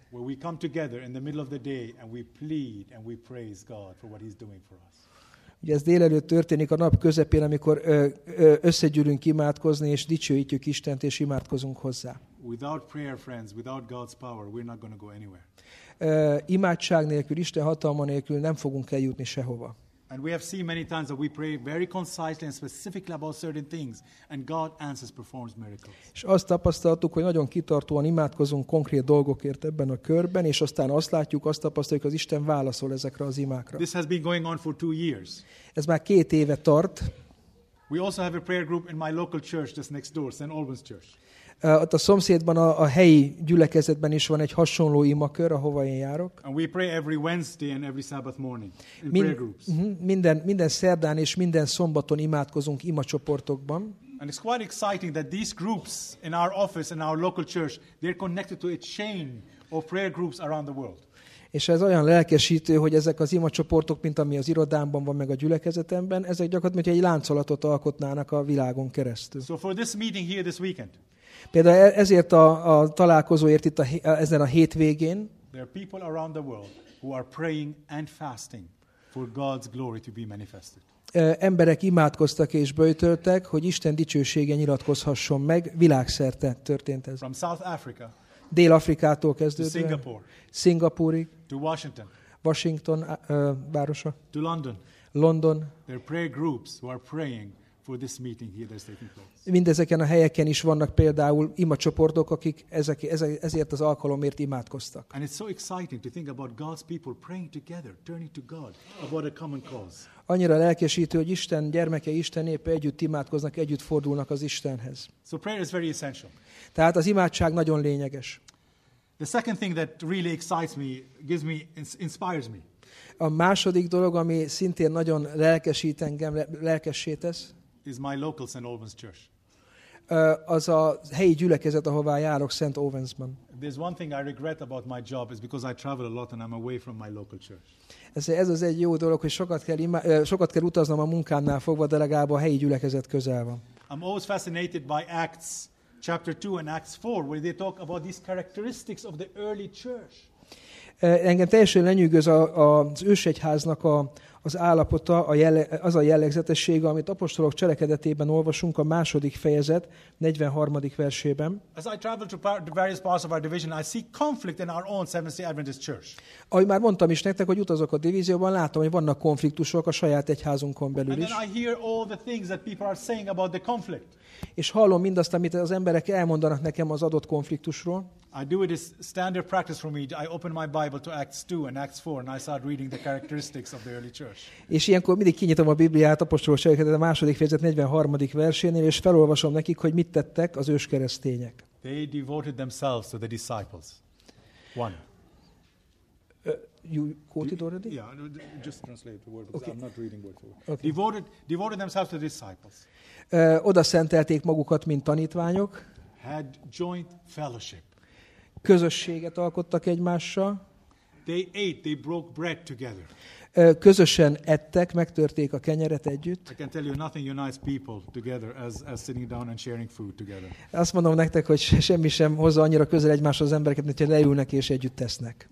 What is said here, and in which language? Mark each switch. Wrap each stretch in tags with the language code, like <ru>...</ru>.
<en>Where we come together in the middle of the day and we plead and we praise God for what he's doing for us.</en> <hu>Ugye ez délelőtt történik a nap közepén, amikor összegyűlünk imádkozni, és dicsőítjük Istent, és imádkozunk hozzá.</hu> <en>Without prayer, friends, without God's power, we're not going to go anywhere.</en> <hu>Imádság nélkül, Isten hatalma nélkül nem fogunk eljutni sehova.</hu> <en>And we have seen many times that we pray very concisely and specifically about certain things, and God answers, performs miracles.</en> <hu>És azt tapasztaltuk, hogy nagyon kitartóan imádkozunk konkrét dolgokért ebben a körben, és aztán azt látjuk, azt tapasztaljuk, hogy az Isten válaszol ezekre az imákra.</hu> <en>This has been going on for 2 years.</en> <hu>Ez már 2 éve tart.</hu> <en>We also have a prayer group in my local church, just next door, St. Albans Church.</en> <hu>Ott a szomszédban a helyi gyülekezetben is van egy hasonló imakör, ahova én járok.</hu> <en>And we pray every Wednesday and every Sabbath morning in prayer groups.</en> <hu>Minden szerdán és minden szombaton imádkozunk imacsoportokban.</hu> <en>And it's quite exciting that these groups in our office in our local church, they're connected to a chain of prayer groups around the world.</en> <hu>És ez olyan lelkesítő, hogy ezek az imacsoportok, mint ami az irodámban van, meg a gyülekezetemben, ezek gyakorlatilag, mint egy láncolatot alkotnának a világon keresztül.</hu> <en>So for this meeting here this weekend.</en> <hu>Például ezért a találkozóért itt ezen a hétvégén.</hu> <en>There are people around the world who are praying and fasting for God's glory to be manifested.</en> <hu>Emberek imádkoztak és böjtöltek, hogy Isten dicsősége nyilatkozhasson meg, világszerte történt ez.</hu> <en>From South Africa,</en> <hu>Dél-Afrikától kezdődően,</hu> <en>to Singapore,</en> <hu>Szingapúrig,</hu> <en>to Washington,</en> <hu>Washington városa,</hu> <en>to London,</en> <hu>London.</hu> <en>There are prayer groups who are praying for this meeting here that's taking place.</en> <hu>Mindezeken a helyeken is vannak például imacsoportok, akik ezért az alkalomért imádkoztak.</hu> <en>And it's so exciting to think about God's people praying together, turning to God about a common cause.</en> <hu>Annyira lelkesítő, hogy Isten gyermeke, Isten népe együtt imádkoznak, együtt fordulnak az Istenhez.</hu> <en>So prayer is very essential.</en> <hu>Tehát az imádság nagyon lényeges.</hu> <en>The second thing that really excites me, gives me, inspires me.</en> <hu>A második dolog, ami szintén nagyon lelkesít engem, lelkessé tesz,</hu> <en>is my local St. Albans church.</en> <hu>Az a helyi gyülekezet, ahová járok, St. Albansban.</hu> <en>There's one thing I regret about my job is because I travel a lot and I'm away from my local church.</en> <hu>Ez az egy jó dolog, hogy sokat kell utaznom a munkámnál fogva, de legalább a helyi gyülekezet közel van.</hu> <en>I'm always fascinated by Acts chapter 2 and Acts 4 where they talk about these characteristics of the early church.</en> <hu>Engem teljesen lenyűgöz az ősegyháznak az állapota, az a jellegzetessége, amit apostolok cselekedetében olvasunk a második fejezet 43. versében.</hu> <en>As I travel to various parts of our division, I see conflict in our own Seventh-day Adventist church.</en> <hu>Ahogy már mondtam is nektek, hogy utazok a divízióban, látom, hogy vannak konfliktusok a saját egyházunkon belül is.</hu> <en>And then I hear all the things that people are saying about the conflict.</en> <hu>És hallom mindazt, amit az emberek elmondanak nekem az adott konfliktusról.</hu> <en>I do it as standard practice for me. I open my Bible to Acts 2 and Acts 4 and I start reading the characteristics of the early church.</en> <hu>És ilyenkor mindig kinyitom a Bibliát apostolok cselekedete a második fejezet 43. versénél, és felolvasom nekik, hogy mit tettek az őskeresztények.</hu> <en>They devoted themselves to the disciples. One. You quoted already? Yeah, just translate the word, because okay. I'm not reading word for word. Okay. Devoted themselves to the disciples.</en> <hu>Oda szentelték magukat, mint tanítványok.</hu> <en>Had joint fellowship.</en> <hu>Közösséget alkottak egymással.</hu> <en>They ate, they broke bread together.</en> <hu>Közösen ettek, megtörték a kenyeret együtt.</hu> <en>I can tell you nothing unites people together as sitting down and sharing food together.</en> <hu>Azt mondom nektek, hogy semmi sem hozza annyira közel egymáshoz az embereket, mint hogy leülnek és együtt esznek.</hu>